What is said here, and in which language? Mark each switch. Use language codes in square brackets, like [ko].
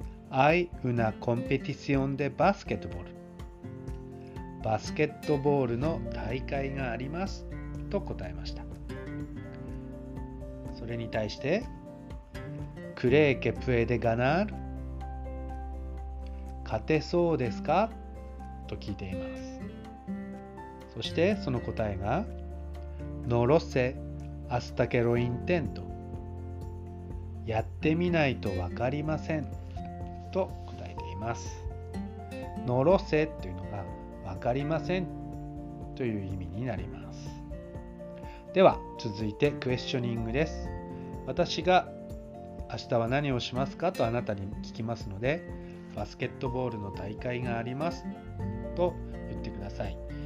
[es] Hay una competición de básquetbol. [ja] バスケットボールの大会がありますと答えました。それに対して、 [es] ¿Cree que puede ganar? [ja] 勝てそうですか?と聞いています。そしてその答えが、 [es] No lo sé hasta que lo intento. [ja] やってみないとわかりません。と答えています。のろせというのがわかりませんという意味になります。では続いてクエスチョニングです。私が明日は何をしますかとあなたに聞きますので、バスケットボールの大会がありますと言ってください。